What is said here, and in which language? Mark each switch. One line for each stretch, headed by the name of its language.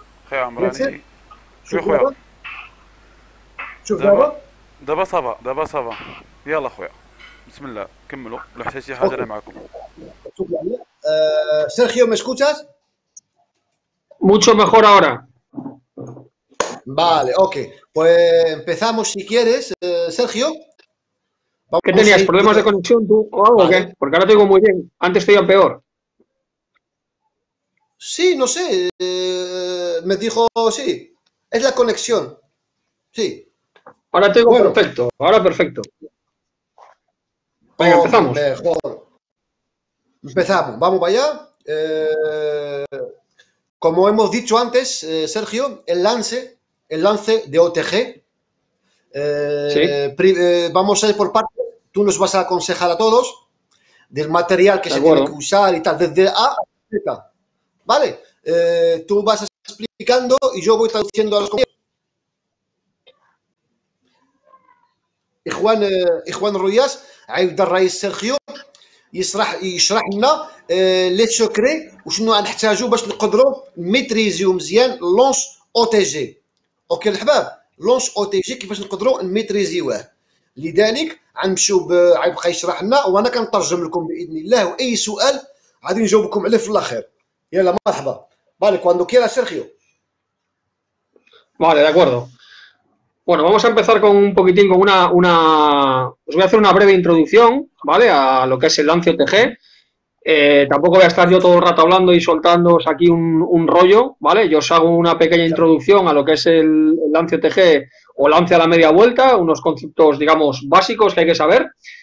Arabic: خي عمراني، شو شوف خويا دابا، شوف دابا دابا. دابا صافا، دابا صافا. يلا خويا بسم الله كملوا، لو حتى شي حاجة اوكي انا معكم. شوف يعني سيرخيو ما اسكوتاس
Spanish: Mucho mejor ahora. Vale, ok. Pues empezamos si quieres, Sergio. ¿Qué tenías? ¿Problemas de conexión tú o algo? Vale. ¿Qué? Porque ahora te digo muy bien. Antes te iba peor. Sí, no sé. Me dijo, sí. Es la conexión. Sí. Ahora te digo bueno. Perfecto. Ahora perfecto. Venga, oh, empezamos. Mejor. Empezamos. Vamos para allá. Como hemos dicho antes, Sergio, el lance de OTG, ¿Sí? Vamos a ir por parte, tú nos vas a aconsejar a todos del material que De se tiene acuerdo. que usar y tal, desde A a Z, ¿vale? Tú vas explicando y yo voy traduciendo a los compañeros. Y Juan Ruiz, ahí está Raíz Sergio.
Arabic: يشرح لنا لي سوكري وشنو غنحتاجو باش نقدروا نميتريزيو مزيان لونس او تي جي. اوكي الحباب، لونس او تي جي كيفاش نقدروا نميتريزيوه؟ لذلك غنمشيو غيبقى يشرح لنا وانا كنترجم لكم باذن الله، واي سؤال غادي نجاوبكم عليه في الاخر. يلا مرحبا،
Spanish: بالي كواندو كيرا
Arabic: سيرخيو.
Spanish: Vale, de acuerdo. Bueno, vamos a empezar con un poquitín, con os voy a hacer una breve introducción, ¿vale? A lo que es el lance OTG. Tampoco voy a estar yo todo el rato hablando y soltándoos aquí un rollo, ¿vale? Yo os hago una pequeña introducción a lo que es el lance OTG o lance a la media vuelta, unos conceptos, digamos, básicos que hay que saber.